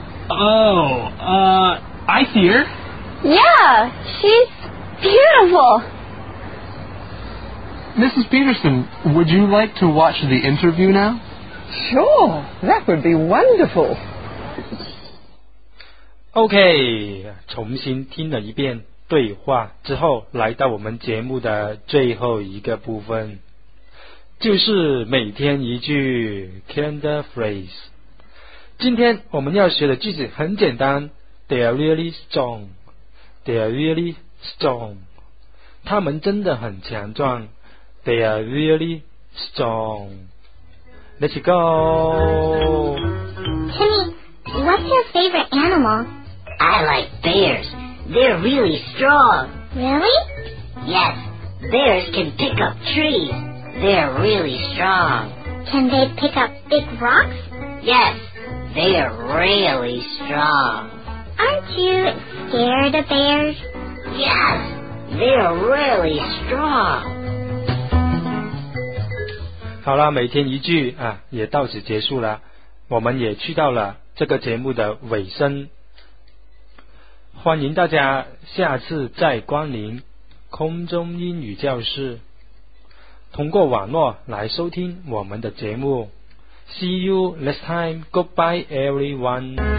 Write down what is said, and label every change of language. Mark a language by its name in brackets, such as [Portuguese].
[English] Oh, I see her. Yeah, she's beautiful. Mrs. Peterson, would you like to watch the interview now? Sure, that would be wonderful. [Chinese] OK, 重新听了一遍对话之后，来到我们节目的最后一个部分，就是每天一句 calendar phrase。今天我们要学的句子很简单 [English] They are really strong They are really strong [Chinese] 他们真的很强壮 [English] They are really strong Let's go Timmy, what's your favorite animal? I like bears They're really strong Really? Yes, bears can pick up trees They're really strong Can they pick up big rocks? Yes. They are really strong. Aren't you scared of bears? Yes, they are really strong. [Chinese] 好了，每天一句啊，也到此结束了。我们也去到了这个节目的尾声。欢迎大家下次再光临空中英语教室，通过网络来收听我们的节目。 [English] See you next time. Goodbye, everyone.